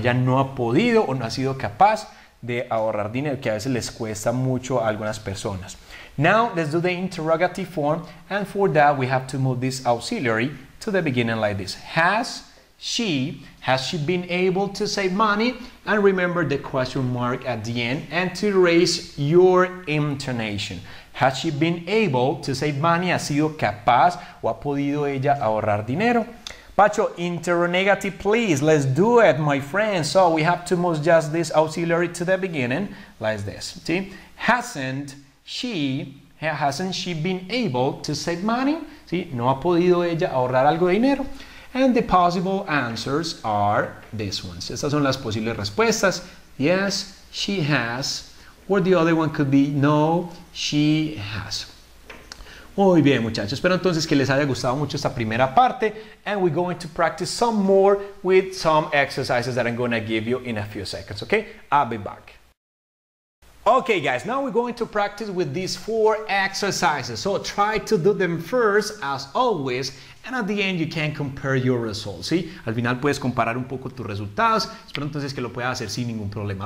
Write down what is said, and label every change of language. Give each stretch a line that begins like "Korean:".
Spanish: Ella no ha podido o no ha sido capaz de ahorrar dinero, que a veces les cuesta mucho a algunas personas.
English: Now, let's do the interrogative form, and for that, we have to move this auxiliary to the beginning like this. Has she been able to save money? And remember the question mark at the end, and to raise your intonation. Has she been able to save money?
Spanish: ¿Ha sido capaz o ha podido ella ahorrar dinero?
English: Pacho, interrogative, please. Let's do it, my friend. So we have to move just this auxiliary to the beginning, like this. See? Hasn't she been able to save money?
Spanish: ¿Sí? ¿No ha podido ella ahorrar algo de dinero?
English: And the possible answers are these ones.
Spanish: Estas son las posibles respuestas.
English: Yes, she has. Or the other one could be no, she has.
Spanish: Muy bien, muchachos. Espero entonces que les haya gustado mucho esta primera parte.
English: And we're going to practice some more with some exercises that I'm going to give you in a few seconds, okay? I'll be back. Okay, guys, now we're going to practice with these four exercises. So try to do them first, as always, and at the end you can compare your results, ¿sí?
Spanish: Al final puedes comparar un poco tus resultados. Espero entonces que lo puedas hacer sin ningún problema.